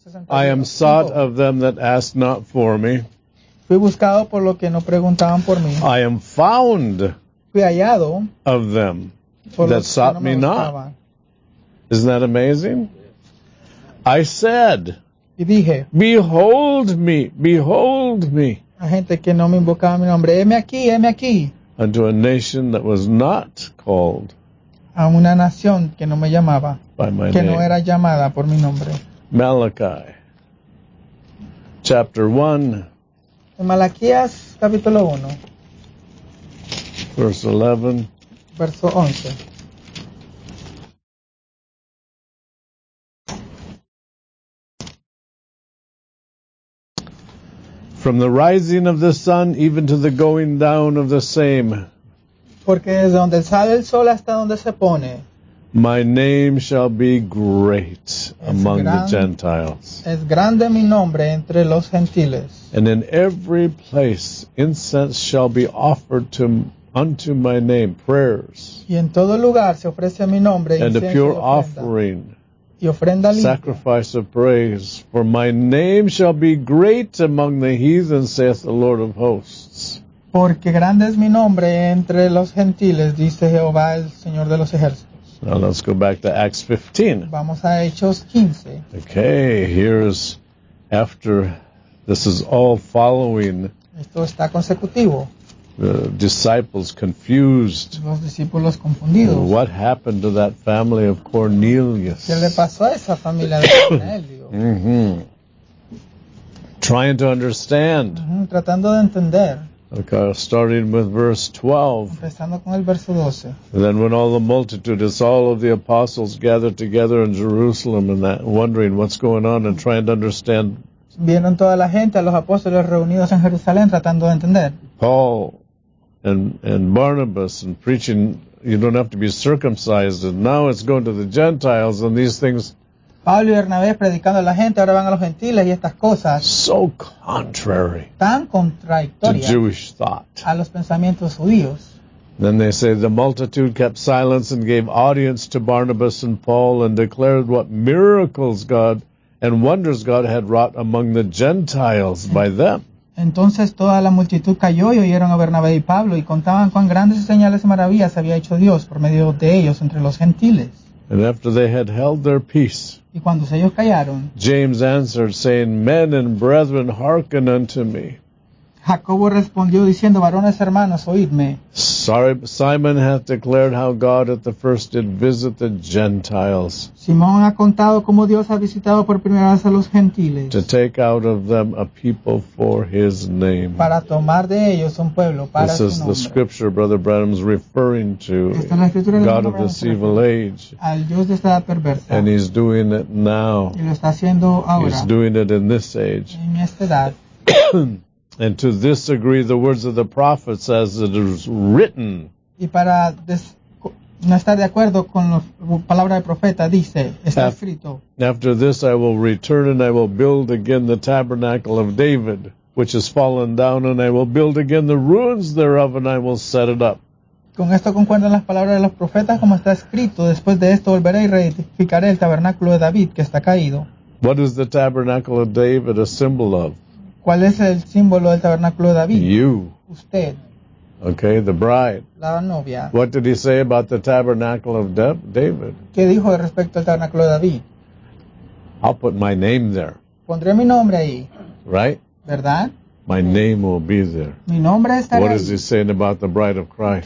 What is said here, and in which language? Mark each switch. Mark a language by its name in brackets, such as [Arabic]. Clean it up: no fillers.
[English] I am sought of them that ask not for me. [Spanish] Fui buscado por lo que no preguntaban por mí. [English] I am found [Spanish] fui hallado [English] of them that sought me not. Isn't that amazing? I said, [Spanish] y dije, [English] behold me, [Spanish] a gente que no me invocaba mi nombre, heme aquí, heme aquí. [English] Unto a nation that was not called [Spanish] a una nación que no me llamaba, [English] by my [Spanish] que [English] name. [Spanish] No era llamada por mi nombre. [English] Malachi, chapter 1, [Spanish] Malaquías, capítulo 1, [English] verse 11, [Spanish] verso 11. [English] From the rising of the sun even to the going down of the same. [Spanish] Porque desde donde sale el sol hasta donde se pone. [English] My name shall be great among the Gentiles. [Spanish] Es grande mi nombre entre los gentiles. [English] And in every place incense shall be offered to unto my name, prayers. [Spanish] Y en todo lugar se ofrece mi nombre [English] incienso. And a pure offering. [Spanish] Y ofrenda limpia. [English] Sacrifice of praise, for my name shall be great among the heathen, saith the Lord of hosts. [Spanish] Porque grande es mi nombre entre los gentiles, dice Jehová el Señor de los ejércitos. [English] Now let's go back to Acts 15. [Spanish] Vamos a Hechos 15. [English] Okay, here's after, this is all following. [Spanish] Esto está consecutivo. [English] The disciples confused. [Spanish] Los discípulos confundidos. [English] What happened to that family of Cornelius? [Spanish] ¿Qué le pasó a esa familia de Cornelio? [English] Mm-hmm. Trying to understand. [Spanish] Mm-hmm. Tratando de entender. [English] Okay, starting with verse 12. [Spanish] Empezando con el verso 12. [English] And then when all the multitude, it's all of the apostles gathered together in Jerusalem and that, wondering what's going on and trying to understand. [Spanish] Vieron toda la gente, a los apóstoles reunidos en Jerusalén tratando de entender. [English] Paul and Barnabas and preaching, you don't have to be circumcised, and now it's going to the Gentiles and these things. [Spanish] Pablo y Bernabé predicando a la gente, ahora van a los gentiles y estas cosas. [English] So contrary. [Spanish] Tan contradictoria. [English] To Jewish thought. [Spanish] A los pensamientos judíos. [English] Then they say the multitude kept silence and gave audience to Barnabas and Paul and declared what miracles God and wonders God had wrought among the Gentiles by them. [Spanish] Entonces toda la multitud cayó y oyeron a Bernabé y Pablo y contaban cuán grandes señales y maravillas había hecho Dios por medio de ellos entre los gentiles. [English] And after they had held their peace, [Spanish] y cuando ellos callaron, [English] James answered, saying, men and brethren, hearken unto me. [Spanish] Jacobo respondió diciendo, varones hermanos, oídme. [English] Simon hath declared how God at the first did visit the Gentiles. [Spanish] Simón ha contado cómo Dios ha visitado por primera vez a los gentiles. [English] To take out of them a people for his name. [Spanish] Para tomar de ellos un pueblo para [English] this [Spanish] su nombre. [English] This is the scripture Brother Branham's referring to. [Spanish] Esta es la escritura [English] God de of this evil age. [Spanish] Al Dios de esta perversa. [English] And he's doing it now. [Spanish] Y lo está haciendo ahora. [English] He's doing it in this age. [Spanish] En esta edad. [English] And to this agree the words of the prophets as it is written. [Spanish] Y para no estar de acuerdo con la palabra del profeta, dice, está escrito. [English] After this I will return and I will build again the tabernacle of David, which has fallen down, and I will build again the ruins thereof, and I will set it up. [Spanish] Con esto concuerdan las palabras de los profetas, como está escrito, después de esto volveré y reedificaré el tabernáculo de David, que está caído. [English] What is the tabernacle of David a symbol of? [Spanish] ¿Cuál es el símbolo del tabernáculo de David? [English] You. [Spanish] Usted. [English] Okay, the bride. [Spanish] La novia. [English] What did he say about the tabernacle of David? [Spanish] ¿Qué dijo respecto al tabernáculo de David? [English] I'll put my name there. [Spanish] Pondré mi nombre ahí. [English] Right? [Spanish] ¿Verdad? [English] My name will be there. [Spanish] Mi nombre estará [English] what [Spanish] ahí. [English] Is he saying about the bride of Christ?